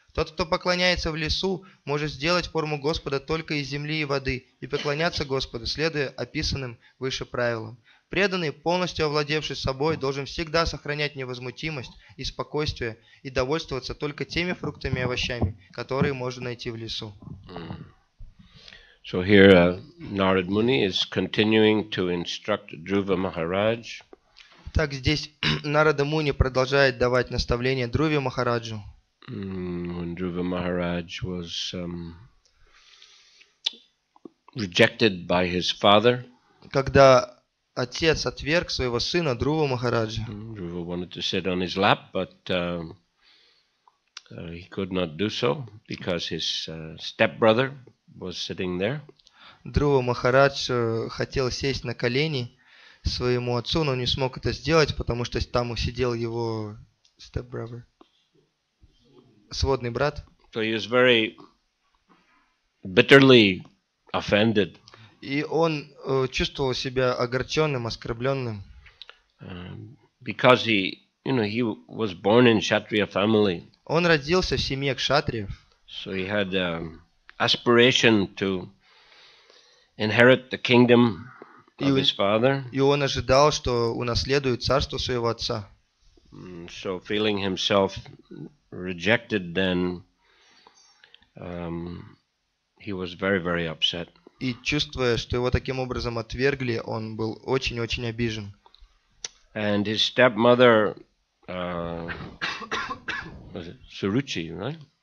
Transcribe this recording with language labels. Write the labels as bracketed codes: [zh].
[ru] Тот, кто поклоняется в лесу, может сделать форму Господа только из земли и воды и поклоняться Господу, следуя описанным выше правилам. Преданный, полностью овладевший собой, должен всегда сохранять невозмутимость и спокойствие и довольствоваться только теми фруктами и овощами, которые можно найти в лесу. [en] So here Narad Muni is continuing to instruct Dhruva Maharaj. [ru] Так здесь Нарада Муни продолжает давать наставления Друве Махараджу. [en] When Dhruva Maharaj was rejected by his father. [ru] Когда отец отверг своего сына Друву Махараджа. [en] Dhruva wanted to sit on his lap, but he could not do so because his stepbrother was sitting there. [ru] Друва Махарадж хотел сесть на колени своему отцу, но не смог это сделать, потому что там сидел его stepbrother, сводный брат. [en] So he was very bitterly offended. [ru] И он чувствовал себя огорченным, оскорбленным. [en] Because he, you know, he was born in Kshatriya family. [ru] Он родился в семье кшатриев. [en] So he had aspiration to inherit the kingdom of his father. [ru] И он ожидал, что унаследует царство своего отца. [en] So feeling himself rejected, then he was very, very upset. [ru] И чувствуя, что его таким образом отвергли, он был очень-очень обижен. [en] And his stepmother, was it Suruchi, right?